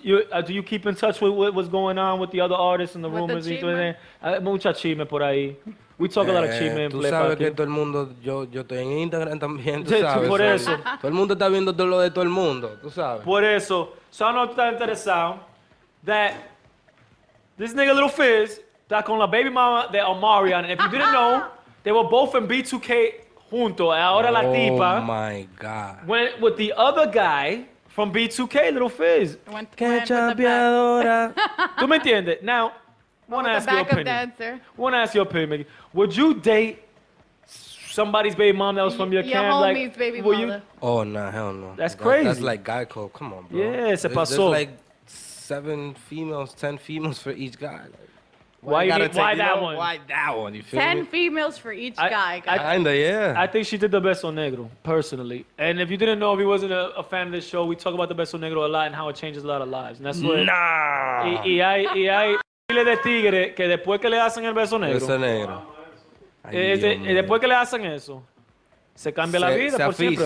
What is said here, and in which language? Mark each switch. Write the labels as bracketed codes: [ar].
[en] Do you keep in touch with what's going on with the other artists and the rumors? With the chisme. [es] Mucha chisme por ahí. [en] We talk a lot of chisme. [es] Tú sabes aquí. Que todo el mundo, yo estoy en Instagram también, tú sabes. Por eso. Todo el mundo está viendo todo lo de todo el mundo, tú sabes. Por eso. [en] So I know that interesado that this nigga Lil Fizz [es] está con la [en] baby mama de Omarion. And if you didn't know, they were both in B2K junto. [es] Ahora la tipa. [en] Oh, my God. Went with the other guy from B2K, Lil Fizz. Went to the back. [es] Tú me entiendes? [en] Now, want to ask your opinion. Want to ask your opinion, Mickey. Would you date somebody's baby mom that was from your camp? Your homie's like, baby mama. You? Oh, nah, hell no. That's crazy. That's like guy code. Come on, bro. [es] Yeah, se pasó. [en] There's like 7 females, 10 females for each guy. Why that one? You feel 10 me? Females for each guy. I think she did the Beso Negro, personally. And if you didn't know, if he wasn't a fan of this show, we talk about the Beso Negro a lot and how it changes a lot of lives. And that's what. Nah. [es] Y hay chile de tigre que después que le hacen el Beso Negro. Beso Negro. Y después que le hacen eso, se cambia la vida por siempre.